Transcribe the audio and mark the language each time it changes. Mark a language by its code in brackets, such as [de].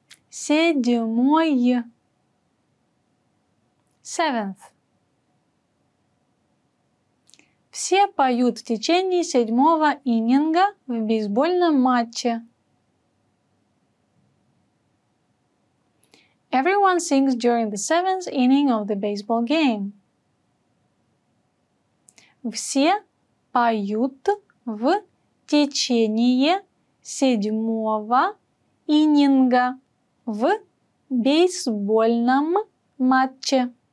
[ru] Седьмой. [en] Seventh. [ru] Все поют в течение седьмого ининга в бейсбольном матче. [en] Everyone sings during the seventh inning of the baseball game. [ru] Все поют в течение седьмого ининга в бейсбольном матче.